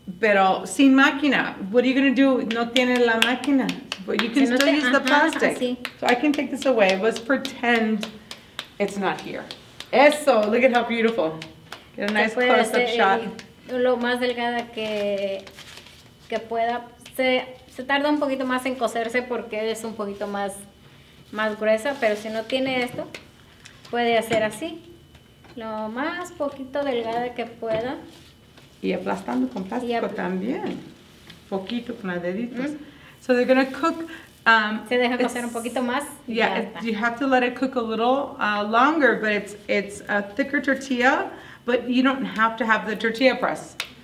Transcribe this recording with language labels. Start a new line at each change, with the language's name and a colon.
Spanish: Pero sin máquina,
English: what are you going to do?
Spanish: No tiene la máquina.
English: But you can still use the plastic. Sí. So I can take this away. Let's pretend it's not here. Eso, look at how beautiful. Get a nice close-up shot.
Spanish: Lo más delgada que pueda. Se tarda un poquito más en coserse porque es un poquito más gruesa. Pero si no tiene esto, puede hacer así. Lo más poquito delgada que pueda. Y aplastando con plástico también. Poquito con las deditos.
English: Mm-hmm. So they're going to cook.
Spanish: Se deja cocer un poquito más.
English: Yeah, you have to let it cook a little longer, but it's a thicker tortilla, but you don't have to have the tortilla press.